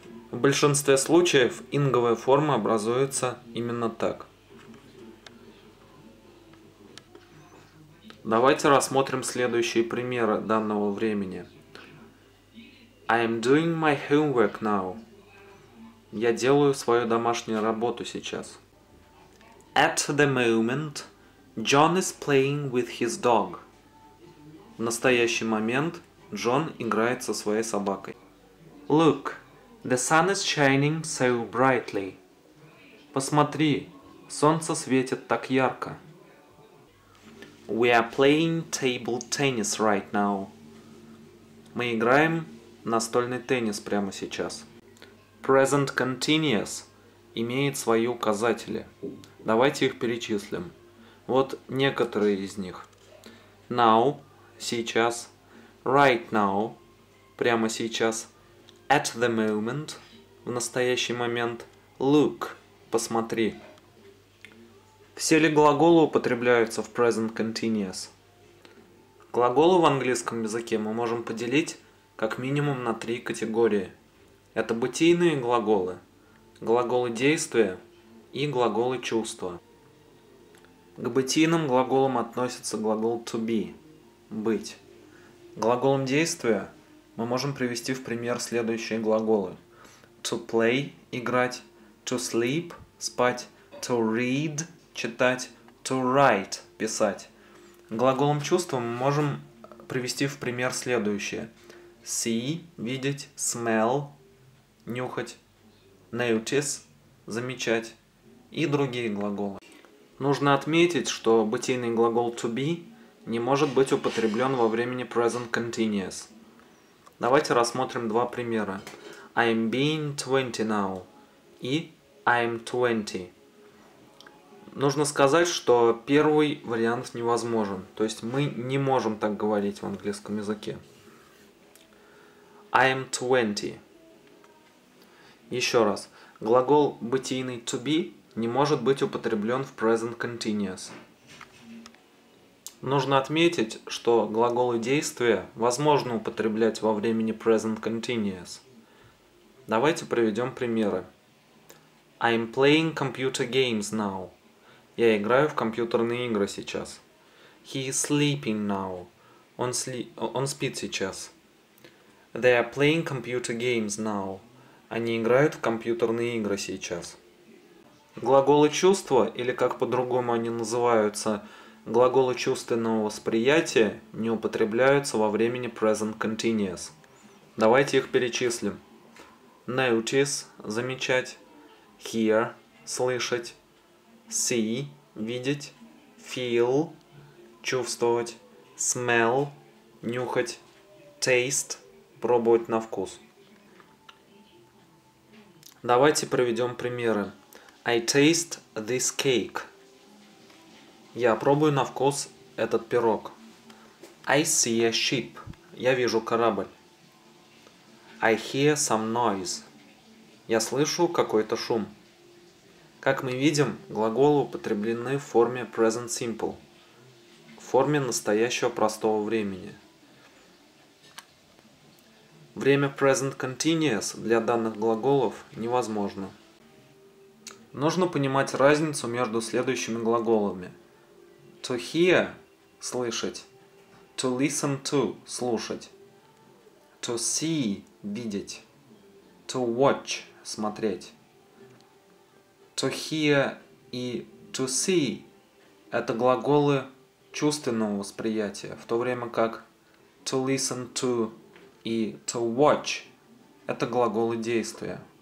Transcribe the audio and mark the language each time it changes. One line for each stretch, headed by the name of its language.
Russian: В большинстве случаев инговая форма образуется именно так. Давайте рассмотрим следующие примеры данного времени.
English: I am doing my homework now.
Russian: Я делаю свою домашнюю работу сейчас.
English: At the moment, John is playing with his dog.
Russian: В настоящий момент Джон играет со своей собакой.
English: Look, the sun is shining so brightly.
Russian: Посмотри, солнце светит так ярко.
English: We are playing table tennis right now.
Russian: Мы играем настольный теннис прямо сейчас. Present continuous имеет свои указатели. Давайте их перечислим. Вот некоторые из них. Now – сейчас. Right now – прямо сейчас. At the moment – в настоящий момент. Look – посмотри. Все ли глаголы употребляются в present continuous? Глаголы в английском языке мы можем поделить как минимум на три категории. Это бытийные глаголы, глаголы действия и глаголы чувства. К бытийным глаголам относится глагол to be – быть. Глаголом действия мы можем привести в пример следующие глаголы.
English: To play – играть, to sleep – спать, to read – читать, to write – писать.
Russian: Глаголом чувства мы можем привести в пример следующее. See – видеть, smell – нюхать, notice – замечать и другие глаголы. Нужно отметить, что бытийный глагол to be не может быть употреблен во времени present continuous. Давайте рассмотрим два примера.
English: I'm being 20 now и I'm 20.
Russian: Нужно сказать, что первый вариант невозможен. То есть мы не можем так говорить в английском языке.
English: I am 20. Еще раз.
Russian: Глагол бытийный to be не может быть употреблен в present continuous. Нужно отметить, что глаголы действия возможно употреблять во времени present continuous. Давайте приведем примеры.
English: I am playing computer games now.
Russian: Я играю в компьютерные игры сейчас.
English: He is sleeping now. Он спит сейчас. They are playing computer games now.
Russian: Они играют в компьютерные игры сейчас. Глаголы чувства, или как по-другому они называются, глаголы чувственного восприятия не употребляются во времени present continuous. Давайте их перечислим. Notice – замечать. Hear – слышать. See – видеть, feel, чувствовать, smell, нюхать, taste, пробовать на вкус. Давайте проведем примеры.
English: I taste this cake.
Russian: Я пробую на вкус этот пирог.
English: I see a ship. Я вижу корабль. I hear some noise.
Russian: Я слышу какой-то шум. Как мы видим, глаголы употреблены в форме present simple, в форме настоящего простого времени. Время present continuous для данных глаголов невозможно. Нужно понимать разницу между следующими глаголами.
English: To hear – слышать. To listen to – слушать. To see – видеть. To watch – смотреть.
Russian: To hear и to see – это глаголы чувственного восприятия, в то время как to listen to и to watch – это глаголы действия.